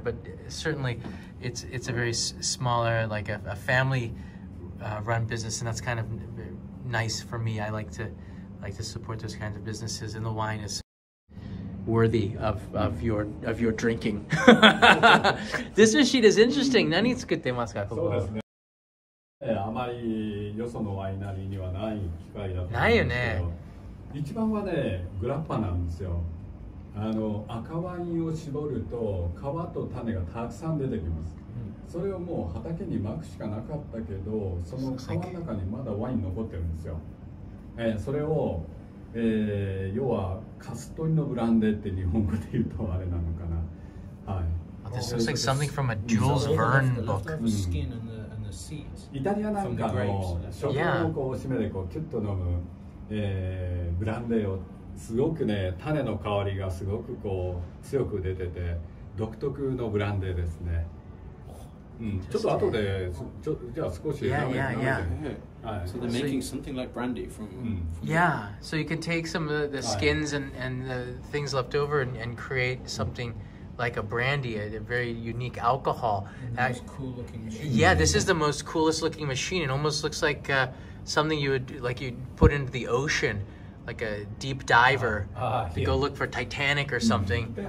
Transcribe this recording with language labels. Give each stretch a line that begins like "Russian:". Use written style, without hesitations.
English: But certainly, it's a very smaller, like a family run business, and that's kind of nice for me. I like to support those kinds of businesses, and the wine is worthy of your drinking. This machine is interesting. 何作ってますか、ここ。
Japanese: そうですね。あまりよそのワイナリーにはない機械だと思うんですけど、一番はね、グラッパなんですよ。あの赤ワインを絞ると皮と種がたくさん出てきます。それをもう畑にまくしかなかったけど、その皮の中にまだワイン残ってるんですよ。それを要はカストリのブランデって日本語で言うとあれなのかな。はい。
English: This looks like something from a Jules Verne book. Skin and the seeds.
Japanese: イタリアなんかの食感をこう締めてこうキュッと飲む、ブランデーをすごくね種の香りがすごくこう強く出てて独特のブランデーですね。うん、ちょっと後でじゃあ少し舐めてね。は
English: い。So they're making something like brandy from. Yeah. So you can take some of the skins and the things left over and create something. Like a brandy, a very unique alcohol. The most cool looking machine. Yeah, this is the most coolest looking machine. It almost looks like something you'd put into the ocean, like a deep diver to go look for Titanic or something.